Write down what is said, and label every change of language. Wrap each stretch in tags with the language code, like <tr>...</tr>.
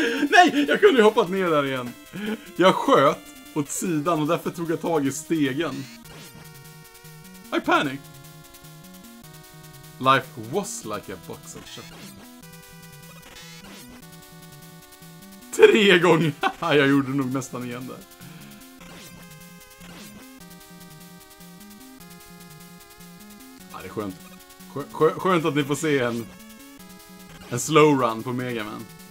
<sv>Nej, jag kunde ju hoppat ner där igen. Jag sköt åt sidan och därför tog jag tag i stegen.</sv> <en>I panic. Life was like a box of chocolate.</en> <sv>Tre gånger! Jag gjorde nog nästan igen där. Ja, det är skönt. Skönt att ni får se en slow run på Mega Man.</sv>